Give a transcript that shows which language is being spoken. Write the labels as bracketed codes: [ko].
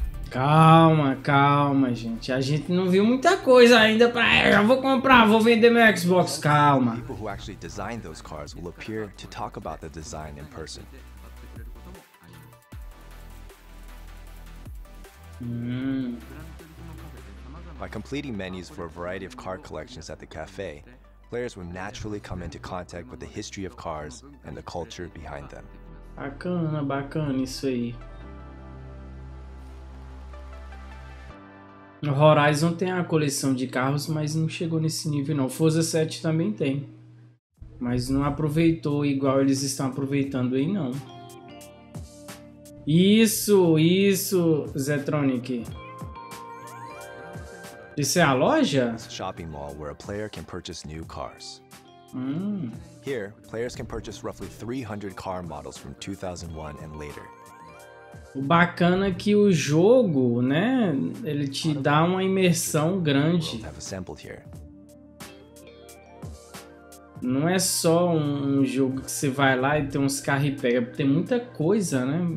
[pt] Calma, calma, gente. A gente não viu muita coisa ainda pra... Já vou comprar, vou vender meu Xbox. Calma. [en] People who actually designed those cars will appear to talk about the design in person. By completing menus for a variety of car collections at the cafe, players will naturally come into contact with the history of cars and the culture behind them. [pt] Bacana, bacana isso aí. O Horizon tem a coleção de carros, mas não chegou nesse nível, não. Forza 7 também tem. Mas não aproveitou igual eles estão aproveitando aí, não. Isso, Zetronic. Isso é a loja? [en] Shopping mall where a player can purchase new cars. Here, players can purchase roughly 300 car models from 2001 and later. [pt] O bacana é que o jogo, né, ele te dá uma imersão grande. Não é só um jogo que você vai lá e tem uns carros e pega, tem muita coisa, né?